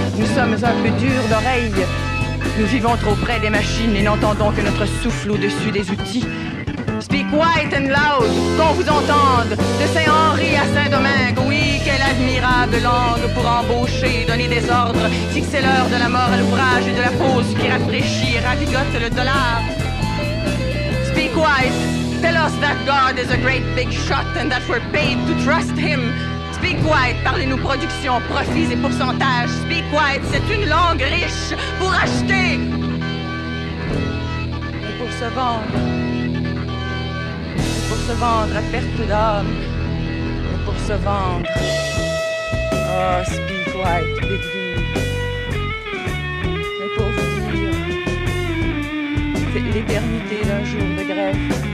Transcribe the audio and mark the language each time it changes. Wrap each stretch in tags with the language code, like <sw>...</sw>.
<fr>Nous sommes un peu durs d'oreille, nous vivons trop près des machines et n'entendons que notre souffle au-dessus des outils.</fr> <en>Speak white and loud,</en> <fr>qu'on vous entende, de Saint-Henri à Saint-Domingue. Oui, quelle admirable langue pour embaucher et donner des ordres. Si c'est l'heure de la mort à l'ouvrage et de la pause qui rafraîchit et ravigote le dollar.</fr> <en>Speak white, tell us that God is a great big shot and that we're paid to trust him. Speak white,</en> <fr>parlez-nous production, profits et pourcentages.</fr> <en>Speak white,</en> <fr>c'est une langue riche pour acheter et pour se vendre. Pour se vendre à perte d'âme, pour se vendre.</fr> <en>Oh, speak white, big deal.</en> <fr>Mais pour vous dire, c'est l'éternité d'un jour de grève.</fr>